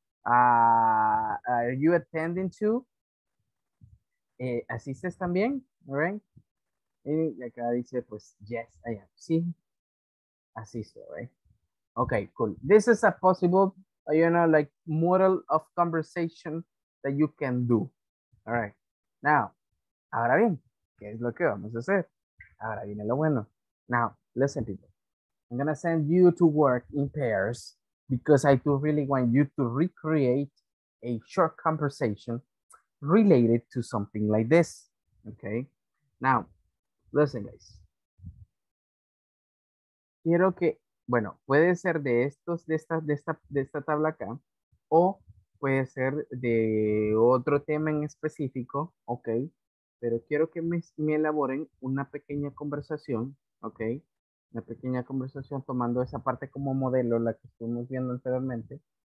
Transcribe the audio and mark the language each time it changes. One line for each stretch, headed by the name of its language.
English: Are you attending to?
Spanish: ¿Asistes también?
English: All right.
Spanish: Y acá dice, pues,
English: yes, I am.
Spanish: Sí. Asisto, right? Okay, cool.
English: This is a possible, you know, like model of conversation that you can do. All right.
Spanish: Now, ahora bien, ¿qué es lo que vamos a hacer? Ahora viene lo bueno.
English: Now, listen, people. I'm going to send you to work in pairs because I do really want you to recreate a short conversation related to something like this. Okay? Now, listen, guys.
Spanish: Quiero que, bueno, puede ser de estos, de esta tabla acá, o puede ser de otro tema en específico, ok, pero quiero que me elaboren una pequeña conversación, ok, una pequeña conversación tomando esa parte como modelo, la que estuvimos viendo anteriormente.